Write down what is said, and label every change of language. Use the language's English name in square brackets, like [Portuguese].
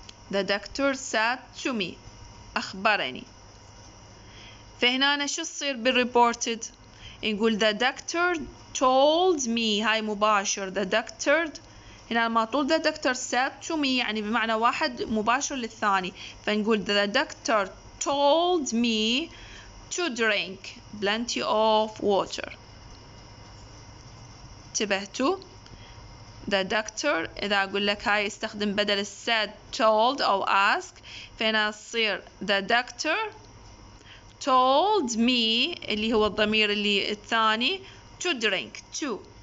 [English] The doctor said to me. [Arabic] أخبرني. فهنا أنا شو صير بالreported؟ نقول [English] the doctor told me. [Arabic] هاي مباشر. [English] The doctor. [Arabic] هنا ما طول [English] the doctor said to me. [Arabic] يعني بمعنى واحد مباشر للثاني. فنقول [English] the doctor told me to drink plenty of water. [Arabic] انتبهتوا the doctor إذا أقول لك هاي استخدم بدل said told أو ask فهنا صير [English] the doctor told me [Arabic] اللي هو الضمير اللي الثاني [English] to drink to